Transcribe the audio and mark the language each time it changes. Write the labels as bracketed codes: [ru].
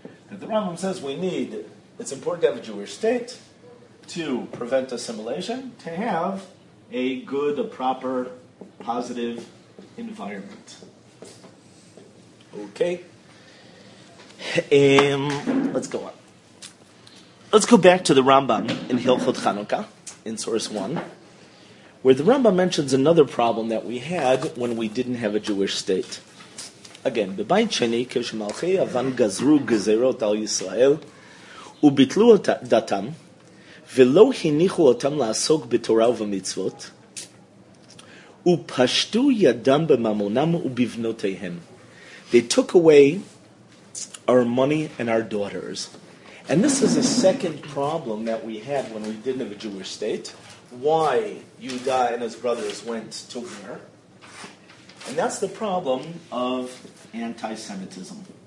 [en] The Rambam says it's important to have a Jewish state to prevent assimilation, to have a good, a proper, positive environment. Okay. Let's go on. Let's go back to the Rambam in Hilchot Chanukah, in Source 1, where the Rambam mentions another problem that we had when we didn't have a Jewish state. [he] Again, בבית שני, כשמלכי יוון גזרו גזרות על ישראל, וביטלו דתם, ולא הניחו אותם לעסוק בתורה ובמצוות, ופשטו ידם בממונם ובבנותיהם. [en] They took away our money and our daughters. And this is a second problem that we had when we didn't have a Jewish state. Why Yehuda and his brothers went to war. And that's the problem of anti-Semitism.